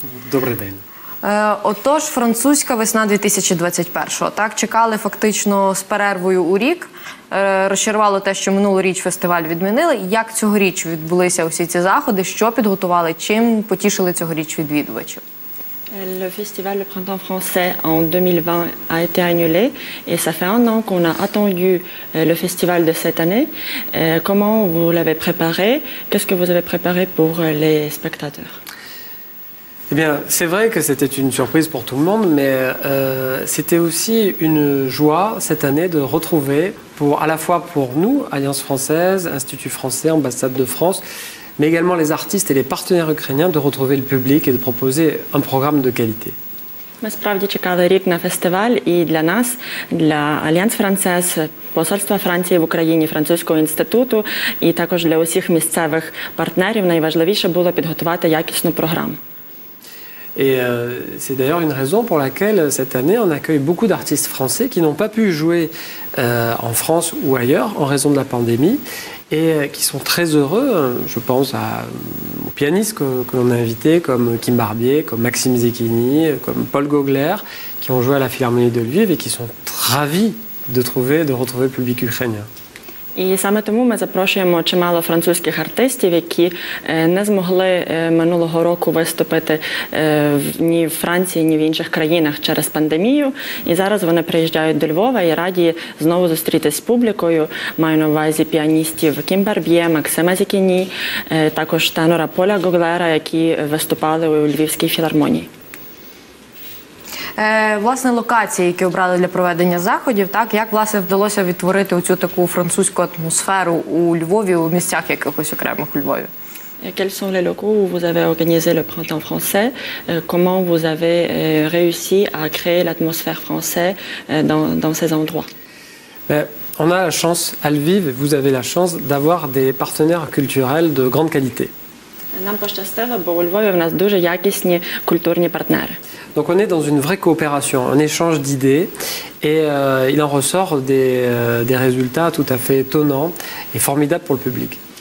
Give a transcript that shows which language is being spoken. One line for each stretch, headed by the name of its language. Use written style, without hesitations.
Ukrainian: Добрий день. Отож, французька весна 2021-го. Так, чекали фактично з перервою у рік. Розчарувало те, що минулоріч фестиваль відмінили. Як цьогоріч відбулися усі ці заходи? Що підготували? Чим потішили цьогоріч відвідувачів?
French: Le festival Le Printemps Français en 2020 a été annulé et ça fait un an qu'on a attendu le festival de cette année. Comment vous l'avez préparé? Qu'est-ce que vous avez préparé pour les spectateurs? Eh bien, c'est vrai que c'était une surprise pour tout le monde, mais c'était aussi une joie cette année de retrouver, pour, à la fois pour nous, Alliance Française, Institut Français, Ambassade de France, mais également les artistes et les partenaires ukrainiens, de retrouver le public et de proposer un programme de qualité.
Ukrainian: Ми справді чекали рік на фестиваль, і для нас, для Альянс Францез, посольства Франції в Україні, Французького інституту, і також для усіх місцевих партнерів, найважливіше було підготувати якісну програму.
French: Et c'est d'ailleurs une raison pour laquelle cette année on accueille beaucoup d'artistes français qui n'ont pas pu jouer en France ou ailleurs en raison de la pandémie et qui sont très heureux, je pense aux pianistes que l'on a invités comme Kim Barbier, comme Maxime Zecchini, comme Paul Gogler qui ont joué à la Philharmonie de Lviv et qui sont ravis de retrouver le public ukrainien.
Ukrainian: І саме тому ми запрошуємо чимало французьких артистів, які не змогли минулого року виступити ні в Франції, ні в інших країнах через пандемію. І зараз вони приїжджають до Львова і раді знову зустрітися з публікою. Маю на увазі піаністів Кім Барб'є, Максима Зікіні, також тенора Поля Гоглера, які виступали у Львівській філармонії. Власне, локації, які обрали для проведення заходів, так як власне вдалося відтворити оцю таку французьку атмосферу у Львові, у місцях якихось окремих у Львові?
French: Quels sont les locaux où vous avez organisé le printemps français? Comment vous avez réussi à créer l'atmosphère française dans ces endroits? On a la chance à Lviv, vous avez la chance d'avoir des partenaires culturels de grande qualité.
Ukrainian: Нам пощастило, бо у Львові в нас дуже якісні культурні партнери.
French: Donc on est dans une vraie coopération, un échange d'idées et il en ressort des résultats tout à fait étonnants et formidables pour le public.